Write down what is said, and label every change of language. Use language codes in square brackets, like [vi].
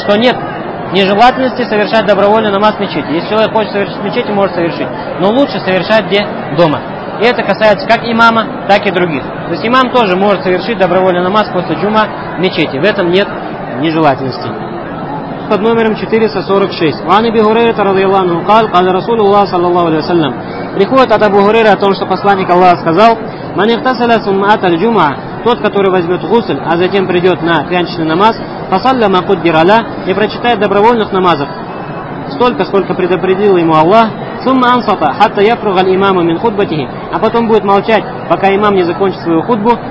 [ru] Что нет нежелательности совершать добровольный намаз в мечети. Если человек хочет совершить в мечети, может совершить. Но лучше совершать где? Дома. И это касается как имама, так и других. То есть имам тоже может совершить добровольный намаз после джума в мечети. В этом нет нежелательности. Под номером 446. [ar] Ва ан Аби Хурайра радиаллаху анху قال قال رسول الله صلى الله عليه وسلم. [ru] Приходит от Абу Хурайры о том, что посланник Аллаха сказал: [ar] ман ихтасала сумма ата аль-джума, [ru] тот, который возьмет гусль, а затем придет на пятничный намаз, [ar] фасалля ма куддира ля, [ru] и прочитает добровольных намазов столько, сколько предопределил ему Аллах. [ar] Сумма ансата, хатта яфруга аль-имаму мин хутбатихи, [ru] а потом будет молчать, пока имам не закончит свою хутбу.